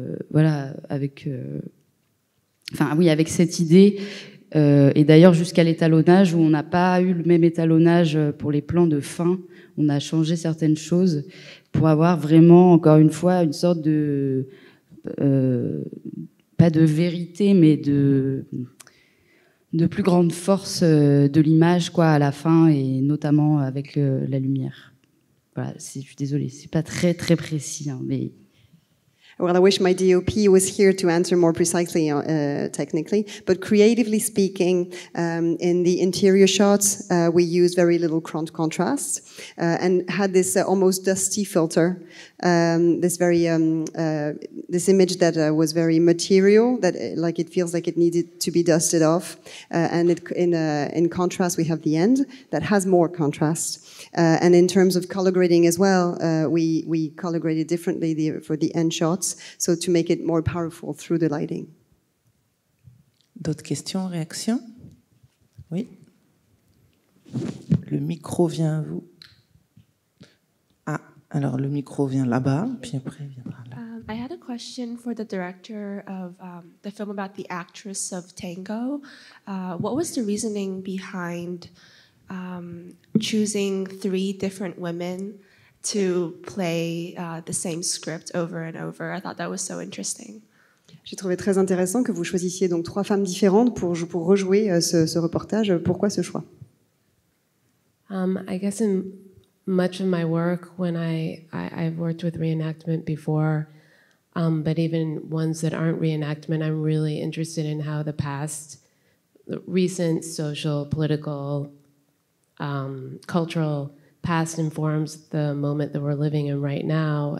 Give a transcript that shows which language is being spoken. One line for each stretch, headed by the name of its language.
French: avec cette idée et d'ailleurs jusqu'à l'étalonnage où on n'a pas eu le même étalonnage pour les plans de fin, on a changé certaines choses pour avoir vraiment encore une fois une sorte de pas de vérité, mais de plus grande force de l'image, quoi, à la fin, et notamment avec la lumière. Voilà, je suis désolée, c'est pas très très précis, hein, mais.
English: Well, I wish my DOP was here to answer more precisely, technically. But creatively speaking, in the interior shots, we use very little contrast and had this almost dusty filter. This image that was very material, that like it feels like it needed to be dusted off. And it, in contrast, we have the end that has more contrast. And in terms of color grading as well, we color graded differently for the end shots. So to make it more powerful through the lighting.
French: D'autres questions, réactions? Oui. Le micro vient à vous. Ah, alors le micro vient là-bas, puis après il vient par là.
English: I had a question for the director of the film about the actress of Tango. What was the reasoning behind choosing three different women to play the same script over and over? I thought that was so interesting.
French: J'ai trouvé très intéressant que vous choisissiez donc trois femmes différentes pour rejouer ce reportage. Pourquoi ce choix?
English: I guess in much of my work, when I've worked with reenactment before, but even ones that aren't reenactment, I'm really interested in how the past, the recent social, political, cultural past informs the moment that we're living in right now.